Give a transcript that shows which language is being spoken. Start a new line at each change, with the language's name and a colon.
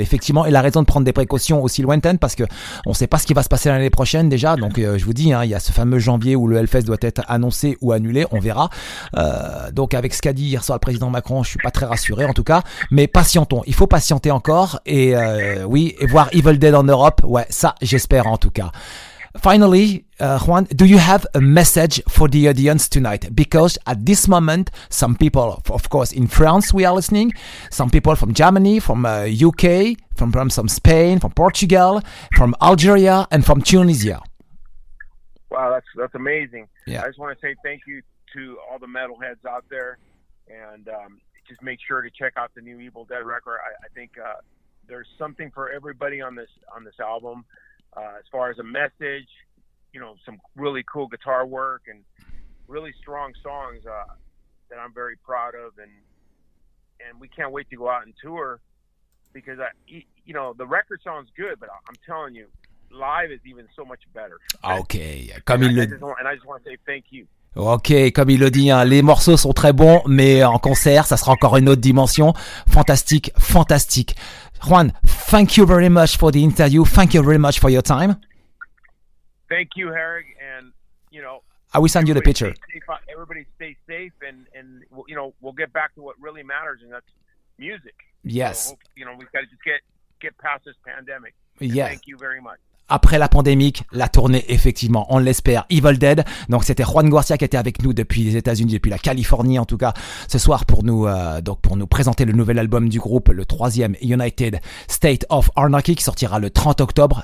French: Effectivement, il a raison de prendre des précautions aussi lointaines parce que on sait pas ce qui va se passer l'année prochaine déjà. Donc, je vous dis, hein, il y a ce fameux janvier où le Hellfest doit être annoncé ou annulé. On verra. Donc, avec ce qu'a dit hier soir le président Macron, je suis pas très rassuré en tout cas. Mais patientons. Il faut patienter encore. Et oui, et voir Evil Dead en Europe, ouais, ça, j'espère en tout cas.
English: Finally, Juan, do you have a message for the audience tonight? Because at this moment, some people, of course, in France, we are listening. Some people from Germany, from UK, from some Spain, from Portugal, from Algeria, and from Tunisia. Wow, that's amazing. Yeah. I just want to say thank you to all the metalheads out there. And just make sure to check out the new Evil Dead record. I think there's something for everybody on this album. As far as a message, you know, some really cool guitar work and really strong songs that I'm very proud of. And we can't wait to go out and tour because, you know, the record sounds good, but I'm telling you, live is even so much better.
French: Okay. Comme il le dit.
English: And I just want to say thank you.
French: Ok, comme il le dit, hein, les morceaux sont très bons, mais en concert, ça sera encore une autre dimension. Fantastique, fantastique.
English: Juan, thank you very much for the interview. Thank you very much for your time. Thank you, Harry. And, you know, I will send you the picture. Everybody stay safe and, you know, we'll get back to what really matters, and that's music. Yes. So, you know, we've got to just get past this pandemic. Yes. Thank you very much.
French: Après la pandémie, la tournée, effectivement, on l'espère, Evil Dead. Donc, c'était Juan Garcia qui était avec nous depuis les États-Unis, depuis la Californie, en tout cas, ce soir, pour nous présenter le nouvel album du groupe, le troisième United State of Anarchy, qui sortira le 30 octobre.